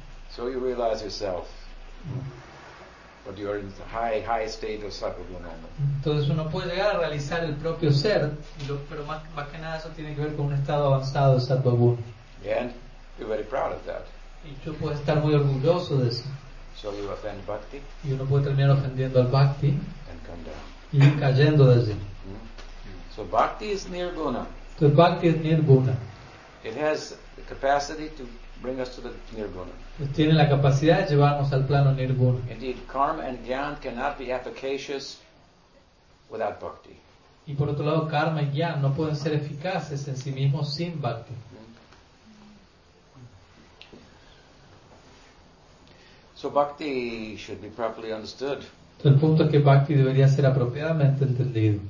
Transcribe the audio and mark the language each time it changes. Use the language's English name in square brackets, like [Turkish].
[English] So you realize yourself, but you are in the high state of sattva-guna. [Spanish] Entonces uno puede llegar a realizar el propio ser, pero más que nada eso tiene que ver con un estado avanzado de sattva-guna. [English] And you're very proud of that. [Spanish] Y tú puedes estar muy orgulloso de eso. [English] So you offend Bhakti. [Spanish] Y uno puede terminar ofendiendo al Bhakti. [English] And come down. [Spanish] Y cayendo de allí. [English] So Bhakti is Nirguna. [Spanish] Entonces Bhakti es Nirguna. [English] It has the capacity to bring us to the Nirguna. [Spanish] Tiene la capacidad de llevarnos al plano Nirguna. [English] Indeed, karma and gyan cannot be efficacious without Bhakti. [Spanish] Y por otro lado, karma y gyan no pueden ser eficaces en sí mismos sin Bhakti. [English] So Bhakti should be properly understood. [Spanish] El punto es que Bhakti debería ser apropiadamente entendido.